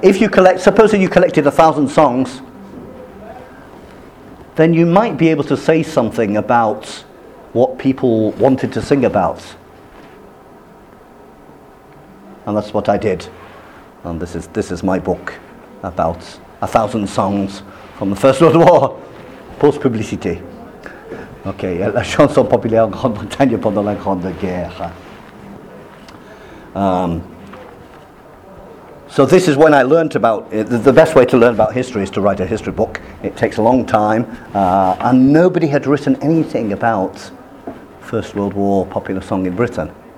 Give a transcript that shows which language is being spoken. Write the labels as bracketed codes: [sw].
[en] If you collect, supposing you collected 1,000 songs, then you might be able to say something about what people wanted to sing about. And that's what I did. And this is my book about 1,000 songs from the First World War, [fr] post-publicité. Okay, la chanson populaire en Grande-Bretagne pendant la Grande Guerre. [en] So this is when I learned about it. The best way to learn about history is to write a history book. It takes a long time. And nobody had written anything about First World War popular song in Britain.